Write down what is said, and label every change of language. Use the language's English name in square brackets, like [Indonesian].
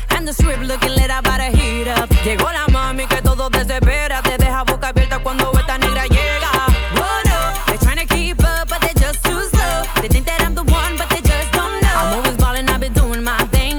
[English] And the strip looking lit, I about to heat up. [Spanish] Llegó la mami que todo desespera. Te deja boca abierta cuando esta negra llega. [English] Oh no, they trying to keep up, but they just too slow. They think that I'm the one, but they just don't know. I'm always ballin', I've been doing my thing.